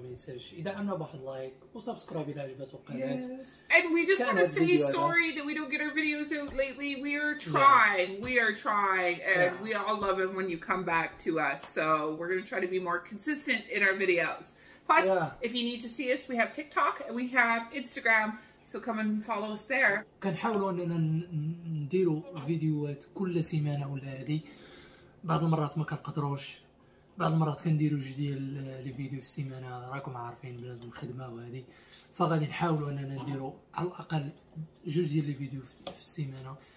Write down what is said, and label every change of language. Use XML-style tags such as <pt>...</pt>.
<ar>ما ينساش يدعمنا بواحد لايك وسبسكرايب الى عجبت القناه.</ar> <en>Yes. And we just want to say sorry that we don't get our videos out lately. We are trying. Yeah. We are trying and we all love it when you come back to us. So, we're going to try to be more consistent in our videos. Plus, if you need to see us, we have TikTok and we have Instagram, so come and follow us there.</en> <ar>كنحاولوا اننا نديروا فيديوهات كل سيمانه ولا هذه. بعض المرات ما كنقدروش, بعض المرات كنديروا جوج ديال لي فيديو في السيمانه. راكم عارفين بلاد الخدمه وهذه, فغادي نحاولوا اننا نديروا على الاقل جوج ديال لي فيديو في السيمانه.</ar>